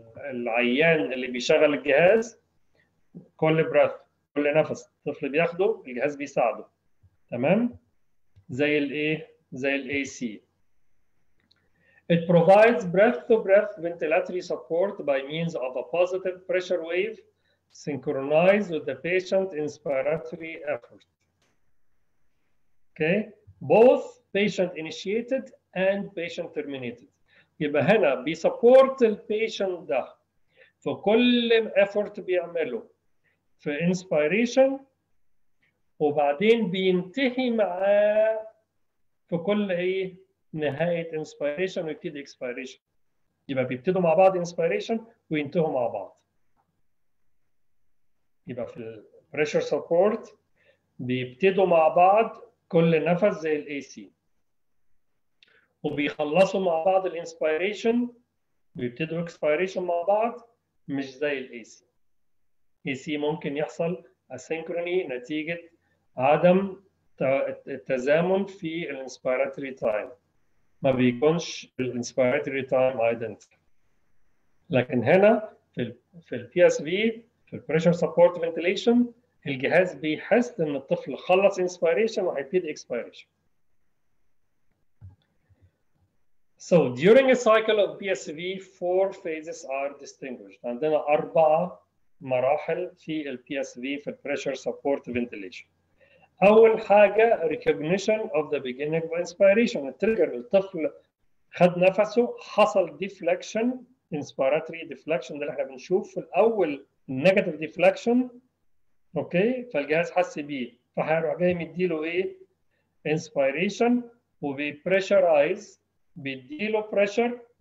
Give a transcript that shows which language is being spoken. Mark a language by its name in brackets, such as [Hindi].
[Arabic] العيان اللي بيشغل الجهاز كل breath كل نفس الطفل بياخده الجهاز بيساعده، تمام، زي الايه زي الاي سي. [English] It provides breath to breath ventilatory support by means of a positive pressure wave synchronized with the patient inspiratory effort. Okay, both patient initiated and patient terminated. [Arabic] يبقى هنا بيسبورت البيشنت ده في كل effort بيعمله في inspiration، وبعدين بينتهي معاه في كل ايه نهاية inspiration ويبتدي expiration. يبقى بيبتدوا مع بعض inspiration وينتهوا مع بعض. يبقى في ال pressure support بيبتدوا مع بعض كل نفس زي ال AC، وبيخلصوا مع بعض الانسبيريشن ويبتدوا اكسبيريشن مع بعض، مش زي الاي سي. اي سي ممكن يحصل اسينكروني نتيجه عدم التزامن في الانسبيراتوري تايم، ما بيكونش الانسبيراتوري تايم ايدنتيكال. لكن هنا في البي اس في في البريشر سبورت فنتيليشن الجهاز بيحس ان الطفل خلص انسبيريشن وهيبتدي اكسبيريشن. [English] So during a cycle of PSV, four phases are distinguished. And then [Arabic] أربعة مراحل في [English] PSV for pressure support ventilation. [Arabic] أول حاجة [English] recognition of the beginning of inspiration. [Arabic] التريجر الطفل خد نفسه حصل deflection, inspiratory deflection اللي احنا بنشوف في الأول negative deflection. أوكي فالجهاز حس بيه فهيروح جاي مديله إيه؟ inspiration وبيpressurize بيديله pressure